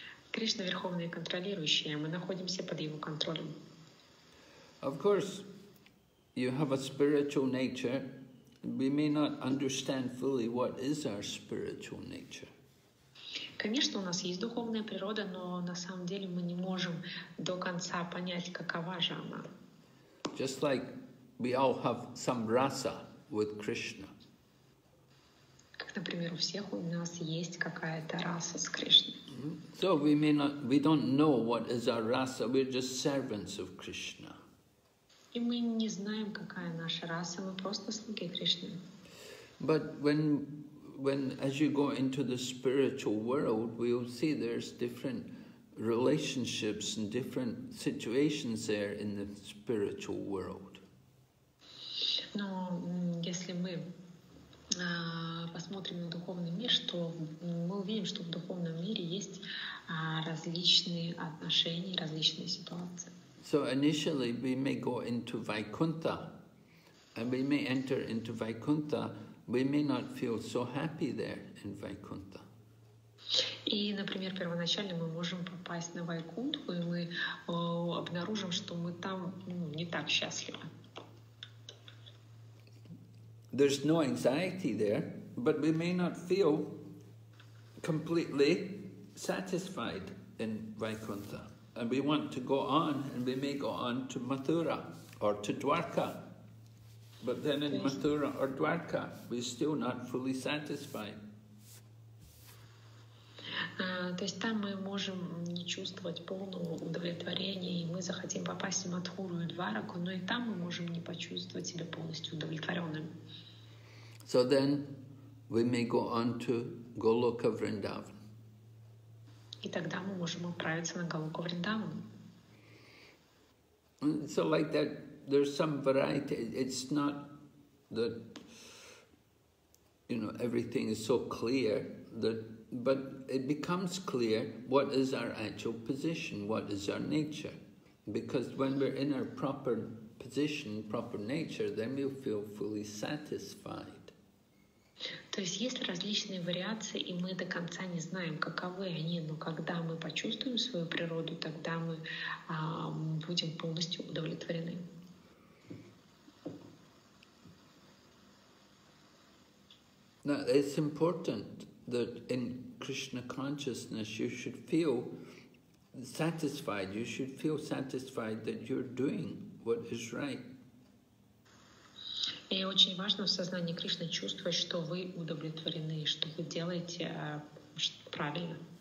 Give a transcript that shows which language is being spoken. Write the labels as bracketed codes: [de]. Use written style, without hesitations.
[ru] Кришна верховный контролирующий. Мы находимся под его контролем. [en] Of course, you have a spiritual nature. We may not understand fully what is our spiritual nature. [ru] Конечно, у нас есть духовная природа, но на самом деле мы не можем до конца понять, какова же она. [en] Just like we all have some rasa with Krishna. [ru] Как, например, у всех у нас есть какая-то раса с Кришной. [en] So we don't know what is our rasa. We're just servants of Krishna. [ru] И мы не знаем, какая наша раса. Мы просто слуги Кришны. [en] But when as you go into the spiritual world, we'll see there's different relationships and different situations there in the spiritual world. [ru] Но если мы посмотрим на духовный мир, то мы увидим, что в духовном мире есть различные отношения, различные ситуации. [en] So initially we may go into Vaikuntha, and we may enter into Vaikuntha we may not feel so happy there in Vaikuntha. [ru] И, например, первоначально мы можем попасть на Вайкунтху, и мы обнаружим, что мы там не так счастливы. [en] There's no anxiety there, but we may not feel completely satisfied in Vaikuntha. And we want to go on, and we may go on to Mathura or to Dwarka. But then in Mathura or Dwarka, we're still not fully satisfied. [ru] То есть там мы можем не чувствовать полного удовлетворения, и мы захотим попасть в Мадхуру и Двараку, но и там мы можем не почувствовать себя полностью удовлетворенным. [en] So then we may go on to Голока Вриндаван. [ru] И тогда мы можем отправиться на Голоку Вриндаван. [en] So like that, there's some variety. It's not that, you know, everything is so clear that, but it becomes clear what is our actual position, what is our nature. Because when we're in our proper position, proper nature, then we'll feel fully satisfied. [ru] То есть есть различные вариации, и мы до конца не знаем, каковы они, но когда мы почувствуем свою природу, тогда мы будем полностью удовлетворены. [en] Now, it's important that in Krishna consciousness you should feel satisfied. You should feel satisfied that you're doing what is right. [ru] И очень важно в сознании Кришны чувствовать, что вы удовлетворены, что вы делаете правильно.